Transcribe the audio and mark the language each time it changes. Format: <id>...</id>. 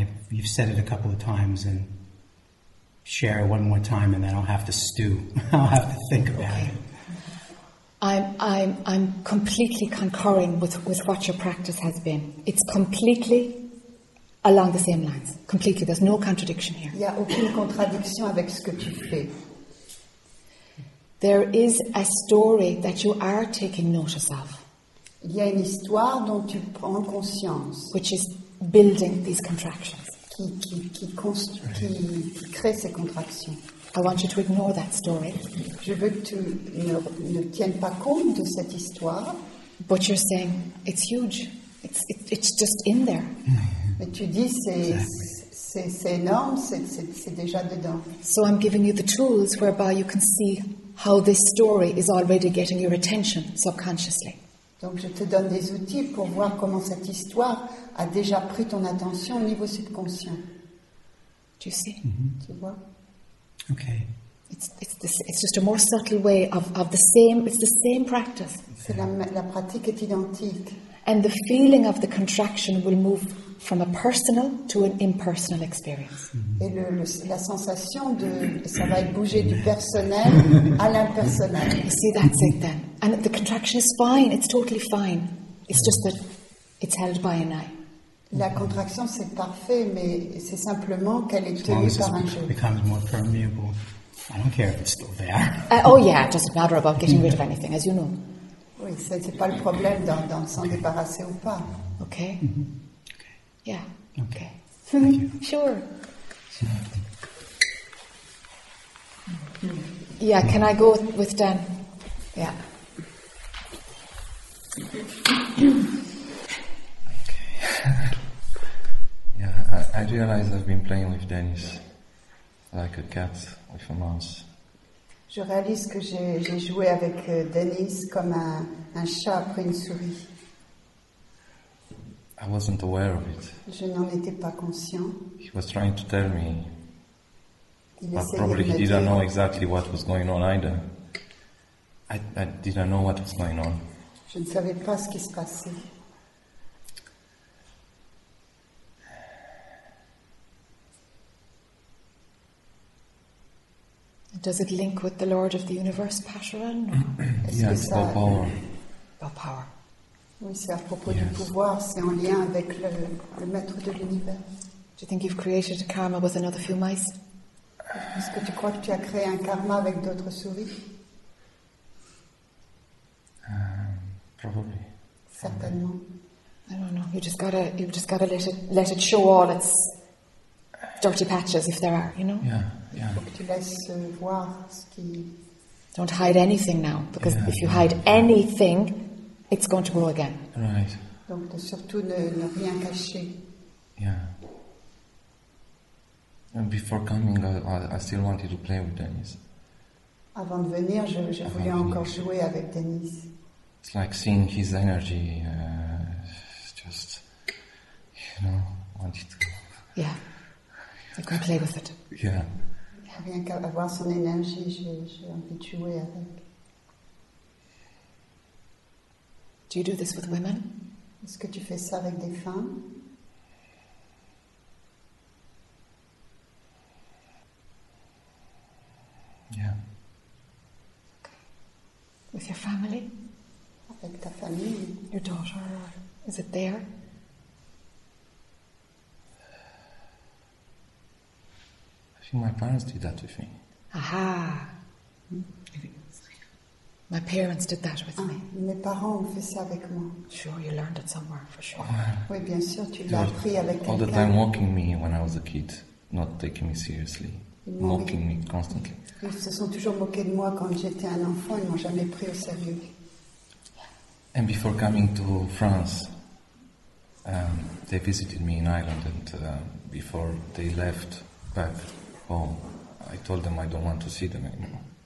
<en>You've said it a couple of times, and share it one more time, and then I'll have to stew. I'll have to think about it. I'm completely concurring with what your practice has been. It's completely along the same lines, completely. There's no contradiction here.</en> <fr>Il n'y a aucune contradiction avec ce que tu fais.</fr> <en>There is a story that you are taking notice of.</en> <fr>Il y a une histoire dont tu prends conscience.</fr> <en>Which is building these contractions.</en> <fr>Qui crée ces contractions.</fr> <en>I want you to ignore that story.</en> <fr>Je veux que tu ne tiennes pas compte de cette histoire.</fr> <en>But you're saying it's huge. It's just in there.</en> <fr>Mais tu dis c'est énorme, c'est déjà dedans.</fr> <en>So I'm giving you the tools whereby you can see how this story is already getting your attention subconsciously.</en> <fr>Donc je te donne des outils pour voir comment cette histoire a déjà pris ton attention au niveau subconscient.</fr> <en>Do you see?</en> <fr>Tu vois?</fr> <en>Okay. It's just a more subtle way of the same. It's the same practice.</en> <fr>C'est la pratique est identique.</fr> <en>And the feeling of the contraction will move from a personal to an impersonal experience.</en> <fr>Et la sensation de ça va être bouger du personnel à l'impersonnel.</fr> <en>You see, that's it then. And the contraction is fine. It's totally fine. It's just that it's held by an eye.</en> <fr>La contraction c'est parfait, mais c'est simplement qu'elle est tenue par un jeu.</fr> <en>Becomes more permeable. I don't care if it's still there. It doesn't matter about getting rid of anything, as you know.</en> <fr>Oui, c'est pas le problème dans s'en débarrasser ou pas.</fr> <en>Okay. Mm-hmm. Yeah. Okay. Sure. Yeah. Can I go with Dan? Yeah. I realize I've been playing with Dennis like a cat with a mouse.</en> <fr>Je réalise que j'ai joué avec Dennis comme un chat après une souris.</fr> <en>I wasn't aware of it.</en> <fr>Je n'en étais pas conscient.</fr> <en>He was trying to tell me. But probably he didn't know exactly what was going on either. I didn't know what was going on.</en> <fr>Je ne savais pas ce qui se passait.</fr> <en>Does it link with the Lord of the Universe, Pashuran? Yes, about power. About power.</en> <fr>Oui, c'est à propos du pouvoir, c'est en lien avec le maître de l'univers.</fr> <en>Do you think you've created a karma with another few mice?</en> <fr>Est-ce que tu crois que tu as créé un karma avec d'autres souris?</fr> <en>Probably.</en> <fr>Certainement.</fr> <en>I don't know. You just gotta let it show all its dirty patches, if there are, you know? Yeah.</en> <fr>Faut que tu laisses voir ce qui...</fr> <en>Don't hide anything now, because if you hide anything, it's going to grow again. Right.</en> <fr>Donc, surtout, ne rien cacher.</fr> <en>Yeah. And before coming, I still wanted to play with Dennis. Avant de venir, je voulais encore jouer avec Dennis. It's like seeing his energy, just, you know, wanted to... Yeah. I can play with it. Yeah.</en> <fr>Rien qu'à voir son énergie, j'ai envie de jouer avec.</fr> <en>Do you do this with women?</en> <fr>Est-ce que tu fais ça avec des femmes?</fr> <en>Yeah. With your family?</en> <fr>Avec ta famille?</fr> <en>Your daughter? Is it there? I think my parents did that with me. Aha! My parents did that with me.</en> <fr>Mes parents ont fait ça avec moi.</fr> <en>Sure, you learned it somewhere, for sure.</en> <fr>Oui, bien sûr, tu l'as appris avec quelqu'un.</fr> <en>All the time mocking me when I was a kid, not taking me seriously. Mocking me constantly.</en> <fr>Ils se sont toujours moqués de moi quand j'étais un enfant, ils m'ont jamais pris au sérieux.</fr> <en>And before coming to France, they visited me in Ireland, and before they left, back home, I told them I don't want to see them anymore.</en>